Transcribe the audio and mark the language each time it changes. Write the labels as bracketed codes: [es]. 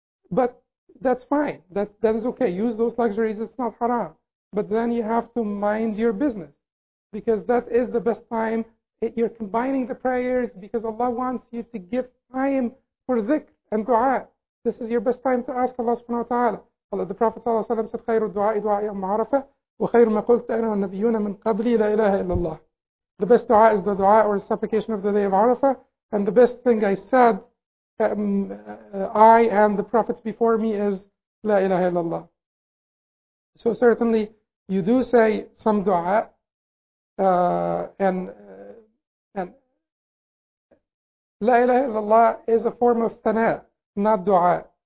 [en] But that's fine. That is okay. Use those luxuries. It's not haram. But then you have to mind your business, because that is the best time. You're combining the prayers because Allah wants you to give time for dhikr and dua. This is your best time to ask Allah subhanahu wa ta'ala. Allah, the Prophet ﷺ said, [ar] خَيْرُ الدُّعَاءِ دُعَاءِ يَوْمَ عَرَفَةٍ وَخَيْرُ مَا قُلْتَ أَنَا وَالنَّبِيُّونَ مِنْ قَبْلِي لَا إِلَهَ إِلَّا اللَّهِ. [en] The best dua is the dua or supplication of the day of Arafah. And the best thing I said, I and the prophets before me, is La ilaha illallah. So certainly, you do say some dua, and La ilaha illallah is a form of thana, not dua.